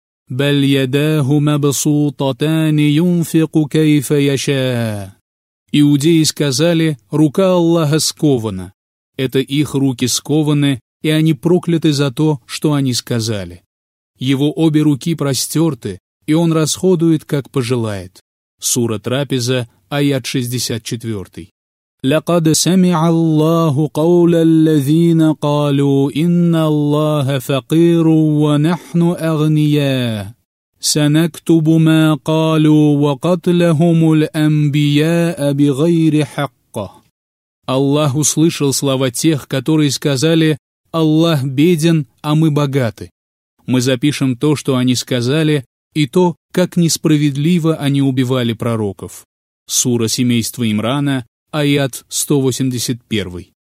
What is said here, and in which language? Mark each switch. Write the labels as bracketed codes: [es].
[ar] بَلْ يَدَاهُ مَبْسُوطَتَانِ يُنْفِقُ كَيْفَ يَشَاءُ [ru] Иудеи сказали: «Рука Аллаха скована». Это их руки скованы, и они прокляты за то, что они сказали. Его обе руки простерты, и он расходует, как пожелает. Сура Трапеза, аят 64. [ar] لقد سمع الله قول الذين قالوا إن الله فقير ونحن أغنياء سنكتب ما قالوا وقتلهم الأنبياء بغير حق. [ru] Аллах услышал слова тех, которые сказали: «Аллах беден, а мы богаты». Мы запишем то, что они сказали, и то, как несправедливо они убивали пророков. Сура семейства Имрана, аят 181.